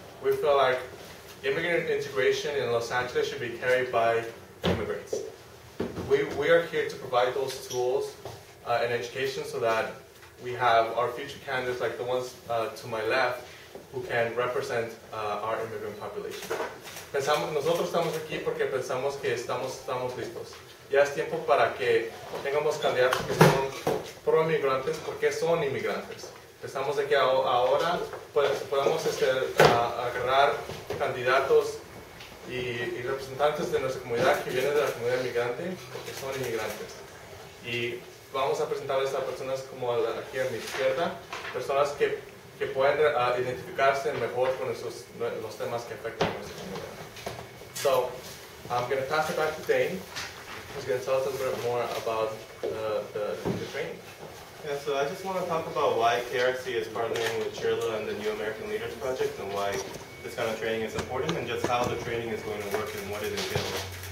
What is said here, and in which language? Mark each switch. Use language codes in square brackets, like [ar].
[en] We feel like immigrant integration in Los Angeles should be carried by immigrants. We are here to provide those tools and education so that we have our future candidates, like the ones to my left, who can represent our immigrant population. [es] Nosotros estamos aquí porque pensamos que estamos listos. Ya es tiempo para que tengamos candidatos que son pro-inmigrantes porque son inmigrantes. Pensamos de que ahora podamos agarrar candidatos y representantes de nuestra comunidad que vienen de la comunidad inmigrante porque son inmigrantes. Y vamos a presentarles a personas como aquí a mi izquierda, personas que pueden identificarse mejor con los temas que afectan a nuestra comunidad. [en] So, I'm going to pass it back to Dane, who's going to tell us a little bit more about the training. Yeah, so I just want to talk about why KRC is partnering with CHRLA and the New American Leaders Project, and why this kind of training is important, and just how the training is going to work and what it entails.